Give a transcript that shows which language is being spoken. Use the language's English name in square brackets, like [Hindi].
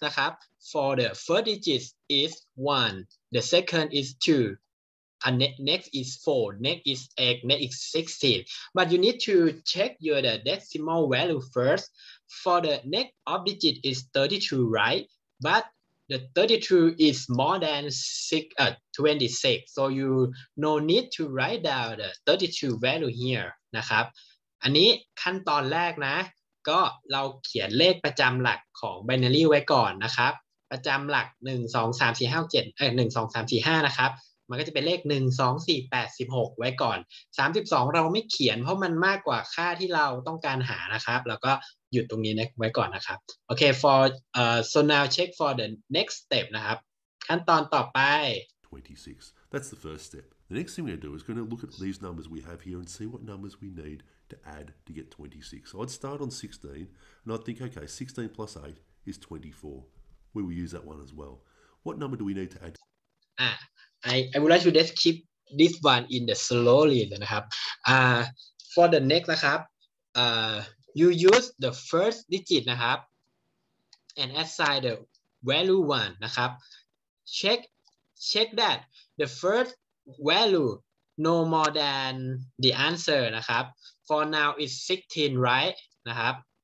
[English] นะครับFor the first digit is 1, the second is 2, and next is 4, next is 8, next is 16. But you need to check your decimal value first. For the next of digit is 32, right? but the 32 is more than 26, so you no need to write down the 32 value here [Thai] นะครับอันนี้ขั้นตอนแรกนะก็เราเขียนเลขประจำหลักของ binary ไว้ก่อนนะครับประจำหลัก1 2 3 4 5 7 1 2 3 4 5นะครับมันก็จะเป็นเลข1 2 4 8 16ไว้ก่อน 32เราไม่เขียนเพราะมันมากกว่าค่าที่เราต้องการหานะครับแล้วก็หยุดตรงนี้นะไว้ก่อนนะครับโอเค [English] for so now check for the next step [Thai] นะครับขั้นตอนต่อไป [English] 26 that's the first step the next thing we're going to do is going to look at these numbers we have here and see what numbers we need to add to get 26 so I'd start on 16 and I'd think okay 16 plus 8 is 24 we will use that one as well what number do we need to add I would like to just keep this one in the slowly นะครับfor the next นะครับyou use the first digit นะครับ and assign the value 1นะครับ check that the first value no more than the answer นะครับ for now is 16 right นะครับ